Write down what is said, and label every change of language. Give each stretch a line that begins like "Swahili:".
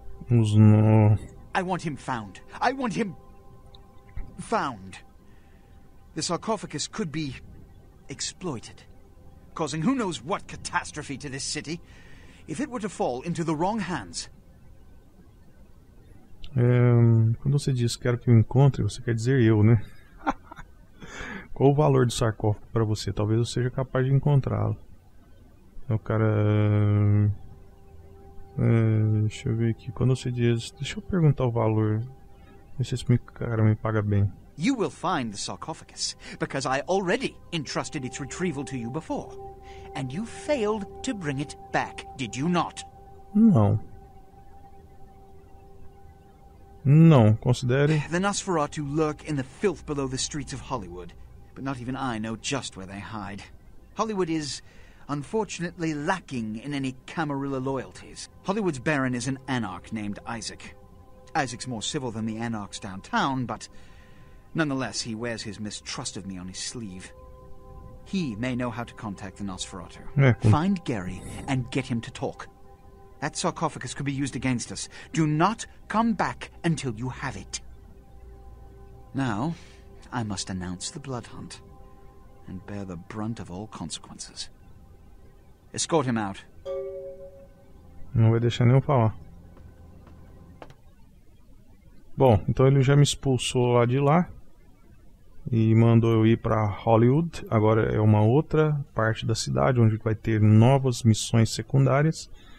English: I want him found. I want him found. The sarcophagus could be exploited, causing who knows what catastrophe to this city. If it were to fall into the wrong hands.
Portuguese: Quando você diz quero que o encontre, você quer dizer eu, né? Qual o valor do sarcófago para você? Talvez eu seja capaz de encontrá-lo. É o cara. Deixa eu ver aqui. Quando você diz. Deixa eu perguntar o valor. Ver se esse cara me paga bem.
English: You will find the sarcophagus, because I already entrusted its retrieval to you before. And you failed to bring it back, did you not?
Portuguese: Não. Não, considere.
English: The Nosferatu lurk in the filth below the streets of Hollywood, but not even I know just where they hide. Hollywood is, unfortunately, lacking in any Camarilla loyalties. Hollywood's baron is an anarch named Isaac. Isaac's more civil than the anarchs downtown, but nonetheless, he wears his mistrust of me on his sleeve. He may know how to contact the Nosferatu. Find Gary and get him to talk. That sarcophagus could be used against us. Do not come back until you have it. Now, I must announce the blood hunt and bear the brunt of all consequences. Escort him out.
Portuguese: Não vai deixar nem eu falar. Bom, então ele já me expulsou lá de lá e mandou eu ir para Hollywood. Agora é uma outra parte da cidade onde vai ter novas missões secundárias.